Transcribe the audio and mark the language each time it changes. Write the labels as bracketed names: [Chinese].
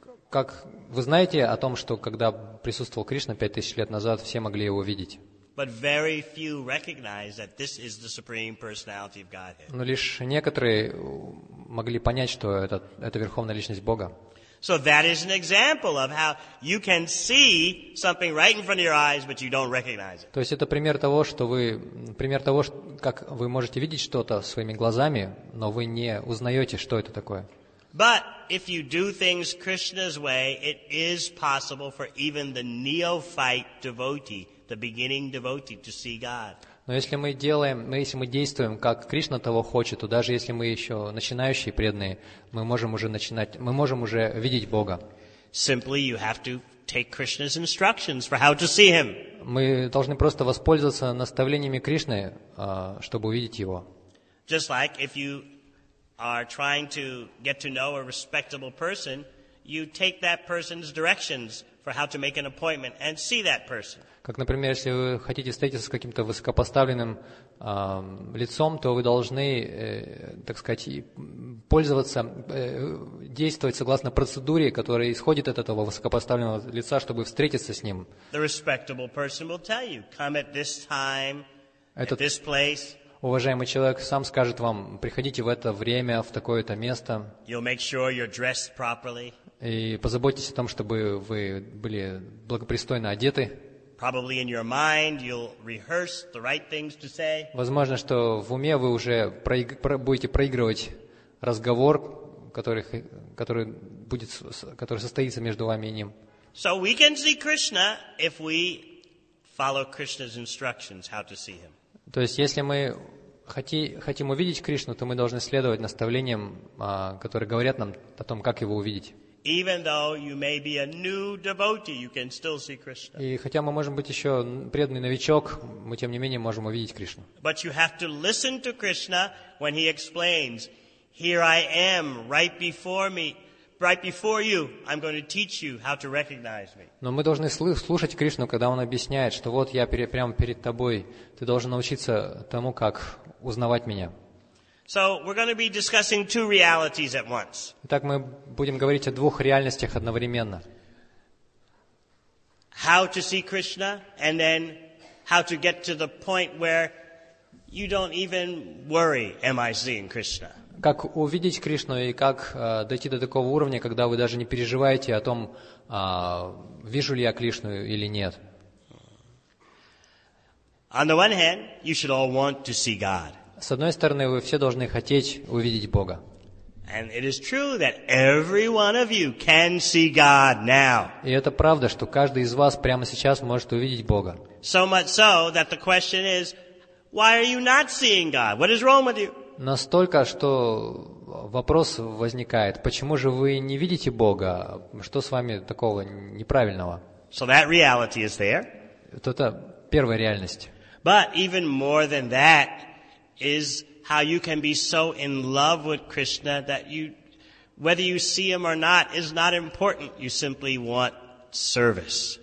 [Russian] Как вы знаете о том, что когда присутствовал Кришна 5,000 лет назад, все могли его видеть? [English] But very few recognize that this is the supreme personality of Godhead. [Russian] Но лишь некоторые могли понять, что это верховная личность Бога. [English] So that is an example of how you can see something right in front of your eyes, but you don't recognize it. [Russian] То есть это пример того, что вы пример того, как вы можете видеть что-то своими глазами, но вы не узнаете, что это такое. [English] But if you do things Krishna's way, it is possible for even the neophyte devotee, the beginning devotee, to see God. [Russian] Но если мы делаем, если мы действуем, как Кришна того хочет, то даже если мы еще начинающие преданные, мы можем уже видеть Бога. [English] Simply you have to take Krishna's instructions for how to see him. [Russian] Мы должны просто воспользоваться наставлениями Кришны, чтобы увидеть его. [English] Just like if you are trying to get to know a respectable person, you take that person's directions for how to make an appointment and see that person. [Russian] Как, например, если вы хотите встретиться с каким-то высокопоставленным лицом, то вы должны, так сказать, пользоваться, действовать согласно процедуре, которая исходит от этого высокопоставленного лица, чтобы встретиться с ним. [English] The respectable person will tell you, come at this time, at this place. [Russian] Уважаемый человек сам скажет вам, приходите в это время, в такое-то место. [English] You'll make sure you're dressed properly. [Russian] И позаботьтесь о том, чтобы вы были благопристойно одеты. [English] Probably in your mind you'll rehearse the right things to say. [Russian] Возможно, что в уме вы уже будете проигрывать разговор, который состоится между вами и ним. [English] So we can see Krishna if we follow Krishna's instructions how to see him. [Russian] То есть, если мы хотим увидеть Кришну, то мы должны следовать наставлениям, которые говорят нам о том, как его увидеть. [English] Even though you may be a new devotee, you can still see Krishna. [Russian] И хотя мы можем быть еще преданный новичок, мы тем не менее можем увидеть Кришну. [English] But you have to listen to Krishna when he explains, "Here I am, right before me, right before you. I'm going to teach you how to recognize me." [Russian] Но мы должны слушать Кришну, когда он объясняет, что вот я прямо перед тобой. Ты должен научиться тому, как узнавать меня. [English] So we're going to be discussing two realities at once. [Russian] Итак, мы будем говорить о двух реальностях одновременно. [English] How to see Krishna, and then how to get to the point where you don't even worry, am I seeing Krishna? [Russian] Как увидеть Кришну и как дойти до такого уровня, когда вы даже не переживаете о том, вижу ли я Кришну или нет. [English] On the one hand, you should all want to see God. [Russian] С одной стороны, вы все должны хотеть увидеть Бога. [English] And it is true that every one of you can see God now. [Russian] И это правда, что каждый из вас прямо сейчас может увидеть Бога. [English] So much so that the question is, why are you not seeing God? What is wrong with you? [Russian] Настолько, что вопрос возникает, почему же вы не видите Бога? Что с вами такого неправильного? [English] So that reality is there. [Russian] Это первая реальность. [English] But even more than that is how you can be so in love with Krishna that you, whether you see him or not, is not important. You simply want service.